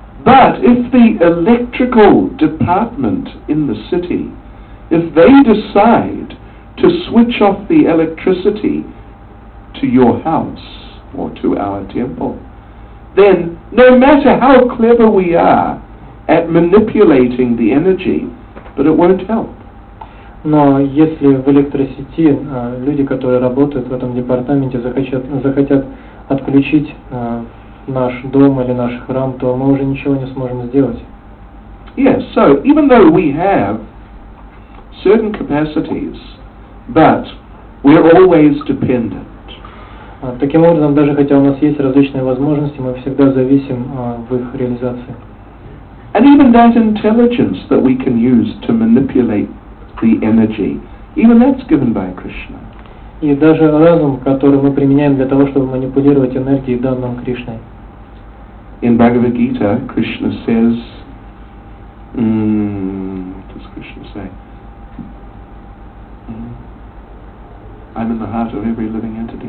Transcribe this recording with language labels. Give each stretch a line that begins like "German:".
English: But if the electrical department in the city, if they decide to switch off the electricity to your house or to our temple, then no matter how clever we are at manipulating the energy, but it won't help.
Russian: Но если в электросети люди, которые работают в этом департаменте, захотят отключить наш дом или наш храм, то мы уже ничего не сможем сделать.
English: Yes, so even though we have certain capacities, but we're always dependent.
Russian: Таким образом, даже хотя у нас есть различные возможности, мы всегда зависим в их реализации.
English: And even that intelligence that we can use to manipulate the energy, even that's given by Krishna.
Russian: И даже разум, который мы применяем для того, чтобы манипулировать энергией, дан нам Кришной.
English: In Bhagavad Gita, Krishna says, what does Krishna say? I'm in the heart of every living entity.